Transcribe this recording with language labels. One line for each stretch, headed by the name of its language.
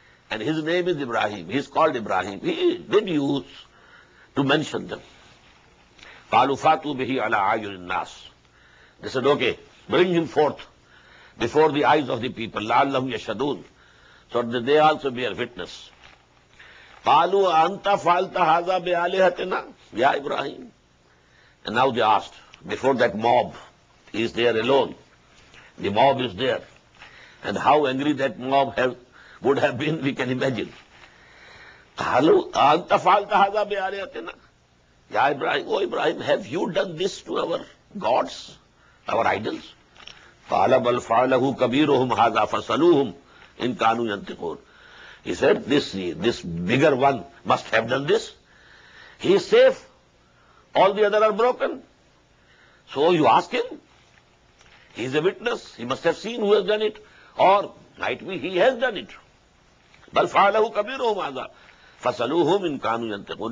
English: And his name is Ibrahim. He is called Ibrahim. He did use to mention them.
Arabic: قالوا فاتوا به على عيون الناس.
English: They said, okay, bring him forth before the eyes of the people.
Arabic: لعلهم يشهدون.
English: So that they also bear witness.
Arabic: قالوا أنت فعلت هذا بآلهتنا يا إبراهيم.
English: And now they asked, before that mob is there alone. The mob is there. And how angry that mob would have been, we can imagine.
Arabic: قالوا أنت فعلت هذا بآلهتنا يا إبراهيم.
English: Oh Ibrahim, have you done this to our gods, our idols?
Arabic: قال بل فعله كبيرهم هذا فسلوهم إن كانوا ينطقون.
English: He said, this bigger one must have done this. He is safe. All the other are broken. So you ask him. He is a witness. He must have seen who has done it. Or might be he has done it.
Arabic: بَلْ فَعَلَهُ كَبِيرُهُمْ عَذَا فَسَلُوهُمْ إِنْ كَانُوا يَنْتِقُونَ.